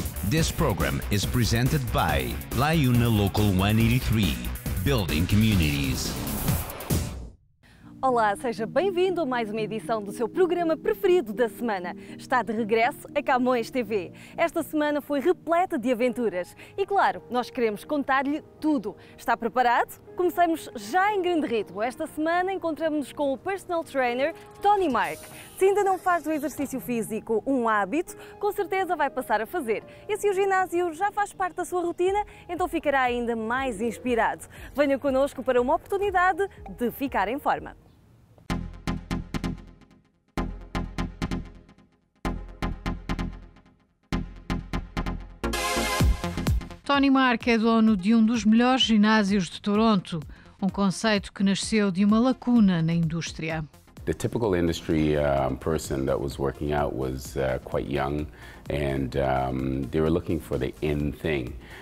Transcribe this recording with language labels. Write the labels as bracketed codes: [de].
[en] This program is presented by LIUNA Local 183, Building Communities. [pt] Olá, seja bem-vindo a mais uma edição do seu programa preferido da semana. Está de regresso a Camões TV. Esta semana foi repleta de aventuras. E claro, nós queremos contar-lhe tudo. Está preparado? Começamos já em grande ritmo. Esta semana encontramos-nos com o personal trainer Tony Mark. Se ainda não faz do exercício físico um hábito, com certeza vai passar a fazer. E se o ginásio já faz parte da sua rotina, então ficará ainda mais inspirado. Venha connosco para uma oportunidade de ficar em forma. Tony Mark é dono de um dos melhores ginásios de Toronto, um conceito que nasceu de uma lacuna na indústria. [en] The typical industry person that was working out was quite young, and they were looking for the in thing.